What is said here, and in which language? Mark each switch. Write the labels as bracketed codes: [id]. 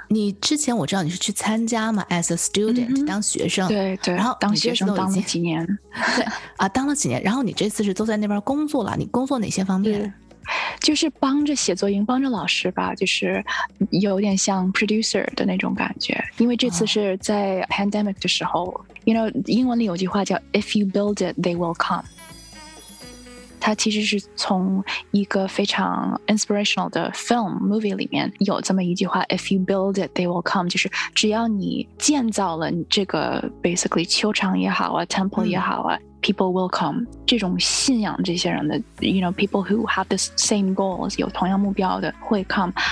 [zh] 你之前我知道你是去参加嘛 ， [en] as a student， [zh] 当学生，对对，然后当学生当了几年，对啊，当了几年，然后你这次是都在那边工作了，你工作哪些方面？就是帮着写作营，帮着老师吧，就是有点像 producer 的那种感觉。因为这次是在 pandemic 的时候，哦，you know， 英文里有句话叫 [en] "If you build it, they will come"。 [zh] 它其实是从一个非常 inspirational 的 film movie 里面有这么一句话 [en] If you build it, they will come， [zh] 就是只要你建造了这个 basically 球场也好啊 temple 也好啊， [en] people will come， [zh] 这种信仰这些人的 [en] you know people who have the same goals [zh] 有同样目标的会 come。